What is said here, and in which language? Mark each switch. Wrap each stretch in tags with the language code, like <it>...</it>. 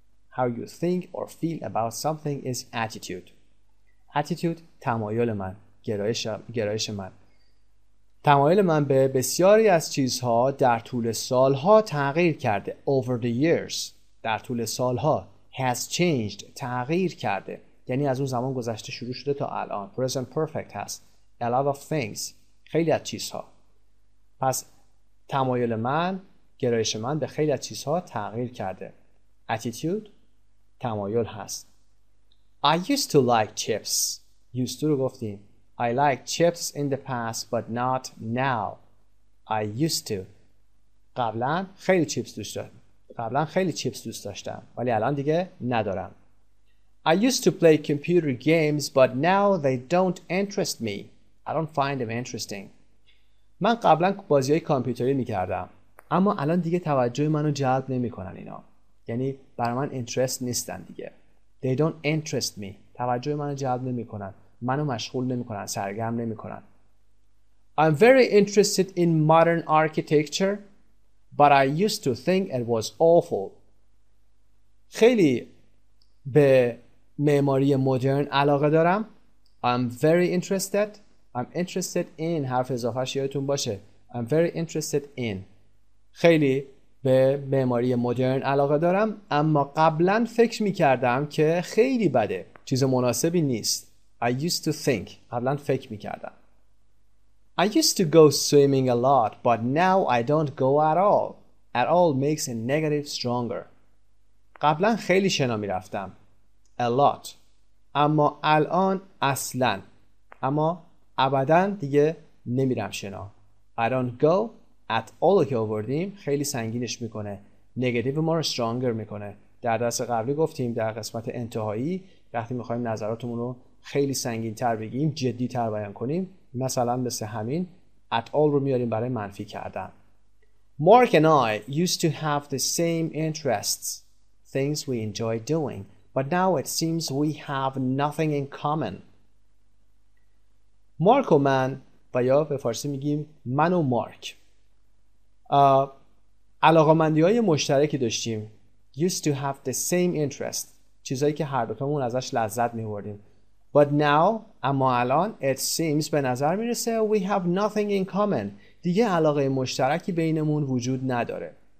<en>How you think or feel about something is attitude.</en> <fa>Attitude, تمایل من. گرایش من. تمایل من به بسیاری از چیزها در طول سالها تغییر کرده.</fa> <en>Over the years.</en> <fa>در طول سالها</fa> <en>has changed</en> <fa>تغییر کرده یعنی از اون زمان گذشته شروع شده تا الان</fa> <en>present perfect</en> <fa>هست</fa> <en>a lot of things</en> <fa>خیلی از چیزها پس تمایل من گرایش من به خیلی از چیزها تغییر کرده attitude تمایل هست</fa> <en>I used to like chips used to</en> <fa>رو گفتیم</fa> <en>I like chips in the past but not now I used to</en> <fa>قبلا خیلی چیپس دوست داشتم قبلا خیلی چیپس دوست داشتم ولی الان دیگه ندارم.</fa> <en>I used to play computer games but now they don't interest me. I don't find them interesting.</en> <fa>من قبلا بازی های کامپیوتری میکردم اما الان دیگه توجه منو جلب نمیکنن اینا. یعنی برای من interest نیستن دیگه.</fa> <en>They don't interest me.</en> <fa>توجه منو جلب نمیکنن. منو مشغول نمیکنن. سرگرم نمیکنن.</fa> <en>I'm very interested in modern architecture. But I used to think it was awful.</en> <fa>خیلی به معماری مدرن علاقه دارم.</fa> <en>I'm very interested. I'm interested in.</en> <fa>حرف اضافه شیاتون باشه.</fa> <en>I'm very interested in.</en> <fa>خیلی به معماری مدرن علاقه دارم، اما قبلا فکر میکردم که خیلی بده، چیز مناسبی نیست.</fa> <en>I used to think.</en> <fa>قبلا فکر میکردم.</fa> <en>I used to go swimming a lot, but now I don't go at all. At all makes a negative stronger.</en> <fa>قبلا خیلی شنا میرفتم.</fa> <en>A lot.</en> <fa>اما الان اصلا. اما ابدا دیگه نمیرم شنا.</fa> <en>I don't go.</en> <fa>At all که آوردیم خیلی سنگینش میکنه، نگاتیو ما رو استرانگر میکنه. در درس قبلی گفتیم در قسمت انتهایی وقتی میخوایم نظراتمون رو خیلی سنگین تر بگیم، جدی تر بیان کنیم، مثلا مثل همین at all رو میاریم برای منفی کردن.</fa> <en>Mark and I used to have the same interests, things we enjoy doing, but now it seems we have nothing in common.</en> <fa>مارک و من، و یا به فارسی میگیم من و مارک، علاقه‌مندی‌های مشترکی داشتیم.</fa> <en>Used to have the same interest،</en> <fa>چیزایی که هر دوتامون ازش لذت می‌بردیم.</fa> <en>But now،</en> <fa>اما الان،</fa> <en>it seems،</en> <fa>به نظر می‌رسه،</fa> <en>we have nothing in common،</en> <fa>دیگه علاقه مشترکی بینمون وجود نداره.</fa>